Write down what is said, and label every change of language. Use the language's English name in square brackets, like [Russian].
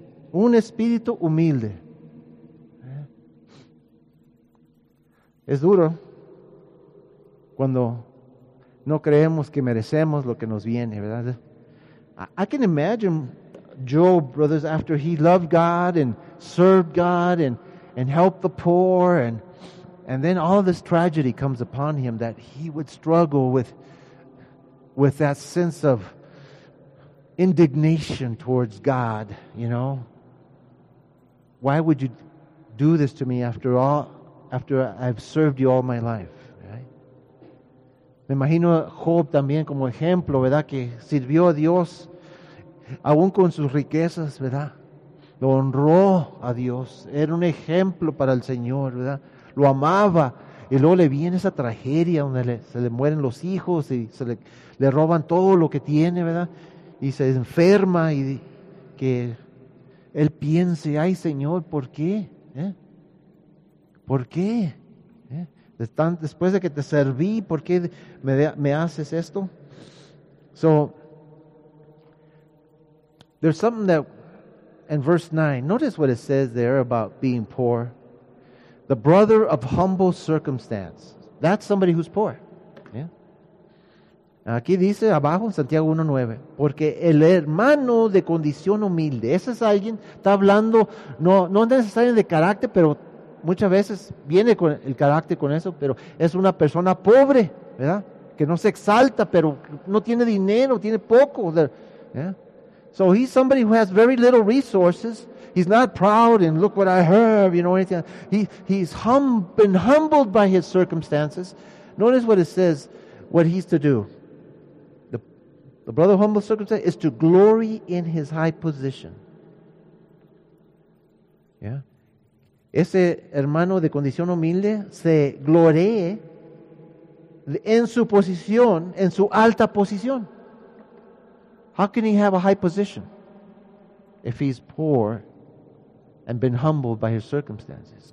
[Spanish] Un espíritu humilde. Es duro cuando no creemos que merecemos lo que nos viene, ¿verdad? [English] I can imagine Job, brothers, after he loved God and served God and helped the poor, and then all this tragedy comes upon him, that he would struggle with that sense of indignation towards God, you know. Why would you do this to me after I've served you all my life? [Spanish] Right? Me imagino Job también como ejemplo, ¿verdad? Que sirvió a Dios aún con sus riquezas, ¿verdad? Lo honró a Dios. Era un ejemplo para el Señor, ¿verdad? Lo amaba. Y luego le viene esa tragedia donde se le mueren los hijos y se le roban todo lo que tiene, ¿verdad? Y se enferma, y que él piense, ay Señor, ¿por qué? ¿Eh? ¿Por qué? ¿Eh? Después de que te serví, ¿por qué me haces esto? [English] So, there's something that, in verse 9, notice what it says there about being poor. The brother of humble circumstance. That's somebody who's poor. Yeah. [Spanish] Aquí dice abajo, Santiago 1:9, porque el hermano de condición humilde, ese es alguien, está hablando, no necesariamente de carácter, pero muchas veces viene con el carácter con eso, pero es una persona pobre, ¿verdad? Que no se exalta, pero no tiene dinero, tiene poco. [English] Yeah. So he's somebody who has very little resources. He's not proud and look what I have, you know, anything. He's been humbled by his circumstances. Notice what it says, what he's to do. The brother of humble circumstances is to glory in his high position. Yeah. [Spanish] Ese hermano de condición humilde se gloree en su posición, en su alta posición. [English] How can he have a high position if he's poor and been humbled by his circumstances?